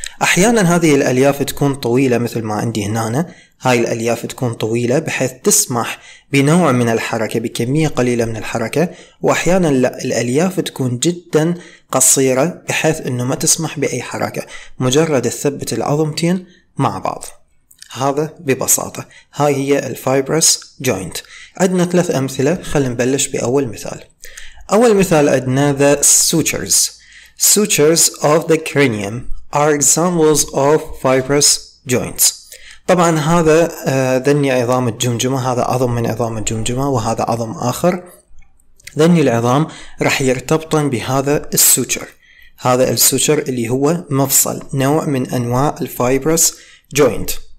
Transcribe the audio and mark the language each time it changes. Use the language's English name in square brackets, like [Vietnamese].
[Arabic] أحيانا هذه الألياف تكون طويلة مثل ما عندي هنا، هاي الألياف تكون طويلة بحيث تسمح بنوع من الحركة، بكمية قليلة من الحركة، وأحيانا لا، الألياف تكون جدا قصيرة بحيث أنه ما تسمح بأي حركة، مجرد تثبت العظمتين مع بعض. هذا ببساطة، هاي هي الفايبرس جوينت. عندنا ثلاث أمثلة، خلينا نبلش بأول مثال. أول مثال عندنا the sutures. [English] Sutures of the cranium are examples of fibrous joints. [Arabic] طبعا هذا ذني عظام الجمجمة، هذا عظم من عظام الجمجمة وهذا عظم آخر. ذني العظام رح يرتبطن بهذا السوتشر. هذا السوتشر اللي هو مفصل، نوع من أنواع الفايبرس جوينت.